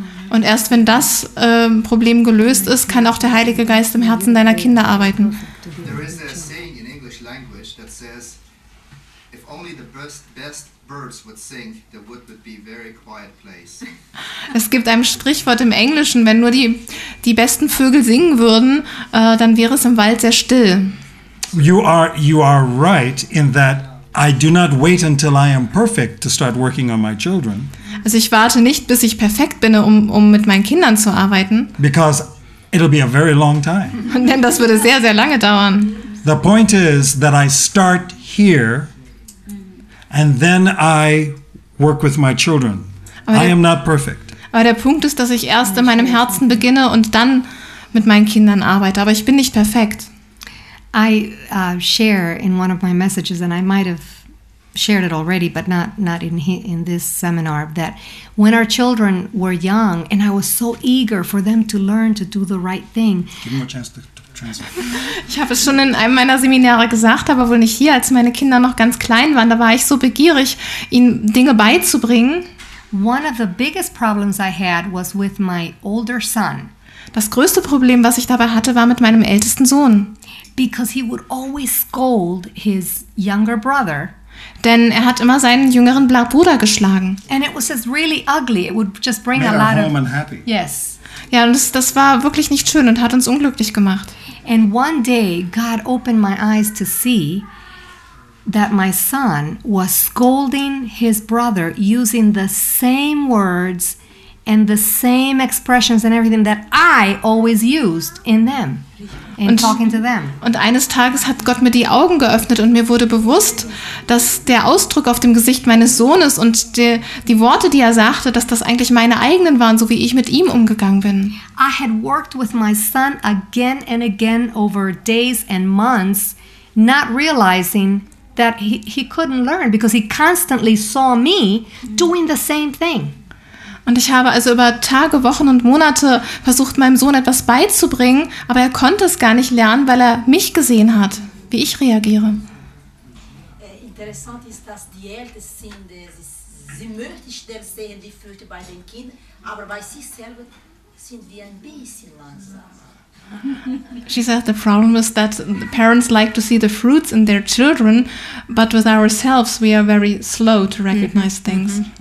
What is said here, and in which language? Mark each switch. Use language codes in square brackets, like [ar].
[de] Und erst wenn das Problem gelöst ist, kann auch der Heilige Geist im Herzen deiner Kinder arbeiten. [en] There is a saying in English language that says, if only the best birds would sing, the wood would be a very quiet place. [de] Es gibt ein Sprichwort im Englischen, wenn nur die besten Vögel singen würden, dann wäre es im Wald sehr still. [en] You are right in that I do not wait until I am perfect to start working on my children. [de] Also ich warte nicht, bis ich perfekt bin, um mit meinen Kindern zu arbeiten. [en] Because it'll be a very long time. [de] Denn das würde sehr, sehr lange dauern. [en] The point is that I start here and then I work with my children. I am not perfect. [de] Aber der Punkt ist, dass ich erst in meinem Herzen beginne und dann mit meinen Kindern arbeite. Aber ich bin nicht perfekt. [en] I share in one of my messages, and I might have shared it already, but not in this seminar, that when our children were young, and I was so eager for them to learn to do the right thing. Give me a chance to translate. [de] Ich habe es schon in einem meiner Seminare gesagt, aber wohl nicht hier, als meine Kinder noch ganz klein waren, da war ich so begierig, ihnen Dinge beizubringen. [en] One of the biggest problems I had was with my older son. [de] Das größte Problem, was ich dabei hatte, war mit meinem ältesten Sohn. [en] Because he would always scold his younger brother. [de] Denn er hat immer seinen jüngeren Bruder geschlagen. [en] And it was just really ugly. It would just bring a lot of unhappy. Yes. [de] Ja, und das war wirklich nicht schön und hat uns unglücklich gemacht. [en] And one day God opened my eyes to see that my son was scolding his brother using the same words and the same expressions and everything that I always used in them. In talking to them. [de] Und eines Tages hat Gott mir die Augen geöffnet und mir wurde bewusst, dass der Ausdruck auf dem Gesicht meines Sohnes und die Worte, die er sagte, dass das eigentlich meine eigenen waren, so wie ich mit ihm umgegangen bin. [en] I had worked with my son again and again over days and months, not realizing that he couldn't learn because he constantly saw me doing the same thing. [de] Und ich habe also über Tage, Wochen und Monate versucht, meinem Sohn etwas beizubringen, aber er konnte es gar nicht lernen, weil er mich gesehen hat, wie ich reagiere. Interessant ist, dass die Eltern sind, sie möchten sehen, die Früchte bei den Kindern, aber bei sich selber sind wir ein bisschen langsam. [en] She said the problem is that the parents like to see the fruits in their children, but with ourselves we are very slow to recognize things.